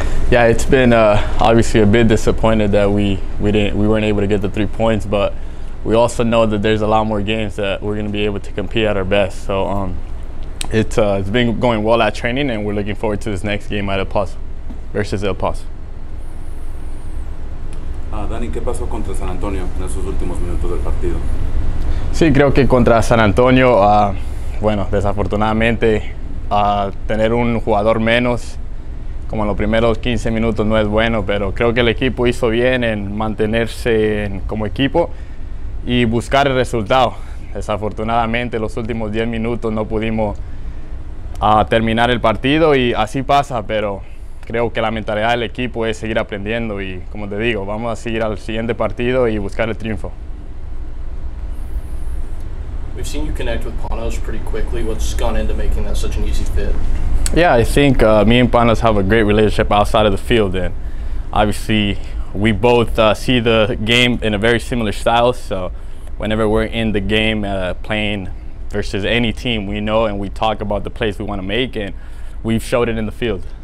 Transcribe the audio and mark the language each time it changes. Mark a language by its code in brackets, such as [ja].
[en] Yeah, it's been obviously a bit disappointed that we weren't able to get the 3 points, but we also know that there's a lot more games that we're going to be able to compete at our best. So it's been going well at training, and we're looking forward to this next game at El Paso versus El Paso. [es] Dani, ¿qué pasó contra San Antonio en esos últimos minutos del partido? Sí, creo que contra San Antonio, desafortunadamente, tener un jugador menos como en los primeros 15 minutos no es bueno, pero creo que el equipo hizo bien en mantenerse como equipo y buscar el resultado. Desafortunadamente, los últimos 10 minutos no pudimos terminar el partido y así pasa, pero creo que la mentalidad del equipo es seguir aprendiendo y, como te digo, vamos a seguir al siguiente partido y buscar el triunfo. [en] We've seen you connect with Panos pretty quickly. What's gone into making that such an easy fit? Yeah, I think me and Panos have a great relationship outside of the field, and obviously we both see the game in a very similar style, so whenever we're in the game playing versus any team, we know and we talk about the plays we want to make, and we've showed it in the field.